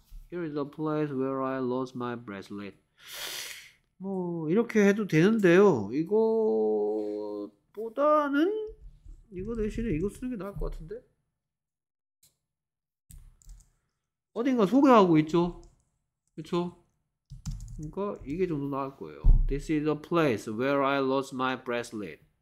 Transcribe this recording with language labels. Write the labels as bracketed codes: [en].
[en] Here is the place where I lost my bracelet. [ko] 뭐 이렇게 해도 되는데요. 이거보다는 이거 대신에 이거 쓰는 게 나을 것 같은데. 어딘가 소개하고 있죠. 그렇죠? 그러니까 이게 좀 더 나을 거예요. [en] This is the place where I lost my bracelet.